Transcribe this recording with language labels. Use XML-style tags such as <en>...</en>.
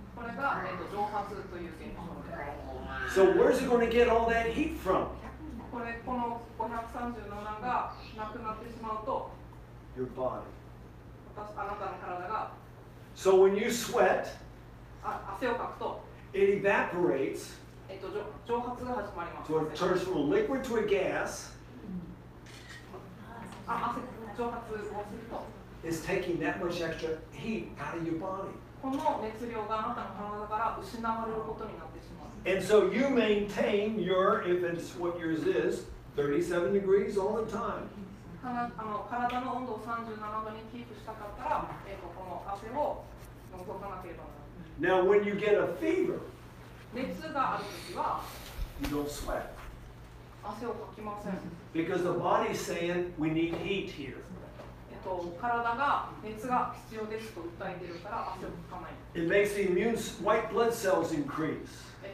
<ja>これが、蒸発という現象です。</ja> <en>So where's it going to get all that heat from?</en> <ja>この537がなくなってしまうと、</ja> <en>Your body.</en> <ja>あなたの体が、</ja> <en>so when you sweat,</en> <ja>汗をかくと、</ja> <en>it evaporates,</en> <ja>蒸発が始まります。</ja> <en>So it turns from a liquid to a gas,</en> <ja>蒸発をすると、</ja> <en>it's taking that much extra heat out of your body.</en> <ja>この熱量があなたの体から失われることになってしまう。</ja> <en>And so you maintain your, if it's what yours is, 37 degrees all the time.</en> <ja>体の温度を37度にキープしたかったら、この汗を残さなければならない。</ja> <en>Now, when you get a fever,</en> <ja>熱があるときは、</ja> <en>you don't sweat.</en> <ja>汗をかきません。</ja> <en>Because the body's saying, we need heat here.</en> <ja>体が熱が必要ですと訴えているから汗をかかない。</ja> <en>It makes the immune white blood cells increase.</en>